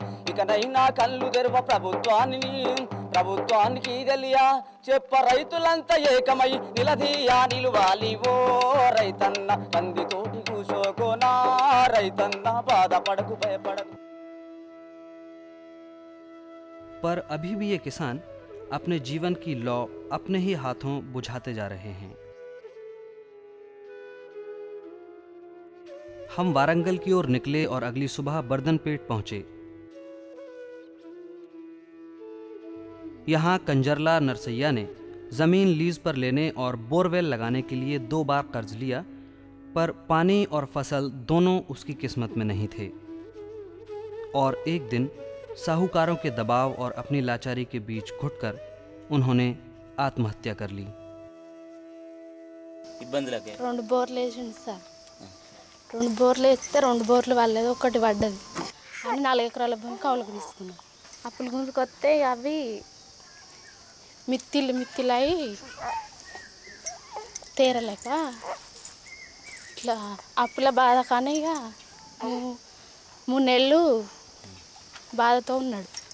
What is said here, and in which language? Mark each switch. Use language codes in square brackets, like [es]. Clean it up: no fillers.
[te] ఇకనైనా కళ్ళు తెరువ ప్రభుత్వాన్ని ప్రభుత్వానికి తెలియా చెప్ప రైతులంతా ఏకమై నిలదీయా నిలువాలి. ఓ రైతన్న కంది తోటి కూచోకునా రైతన్న బాధపడకు భయపడకు. [hi] పర్ అభి భీ యే కిసాన్ अपने जीवन की लौ अपने ही हाथों बुझाते जा रहे हैं. हम वारंगल की ओर निकले और अगली सुबह बर्दनपेट पहुंचे. यहां कंजरला नरसैया ने जमीन लीज पर लेने और बोरवेल लगाने के लिए दो बार कर्ज लिया पर पानी और फसल दोनों उसकी किस्मत में नहीं थे. और एक दिन साहूकारों के दबाव और अपनी लाचारी के बीच घुटकर उन्होंने आत्महत्या कर ली. [te] ఇబ్బంది లగే రెండు బోర్లు వేసిండు సార్. రెండు బోర్లు వేస్తే రెండు బోర్లు వాళ్ళేదో ఒకటి పడ్డది అని నాలుగు ఎకరాల భూమి కౌలుకు తీసుకున్నా. అప్పులు గుంజుకొస్తే అవి మిత్తిలు మిత్తిలై తీరలేక ఇట్లా అప్పుల బాధ కానీ మూడు బాధతో ఉన్నాడు.